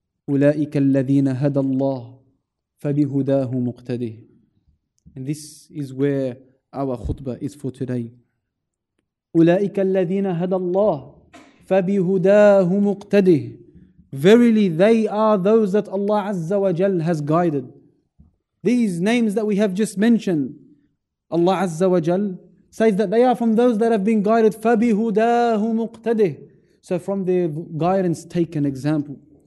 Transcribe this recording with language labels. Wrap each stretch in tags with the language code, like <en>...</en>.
<ar>أولئك الذين هدى الله فبهداه مقتده.</ar> <en>And this is where our khutbah is for today.</en> <ar>أولئك الذين هدى الله فبهداه مقتده.</ar> <en>Verily they are those that Allah Azza wa Jal has guided. These names that we have just mentioned, Allah Azza wa Jal says that they are from those that have been guided.</en> <ar>فَبِهُدَاهُ مُقْتَدِهُ.</ar> <en>So from their guidance, take an example.</en>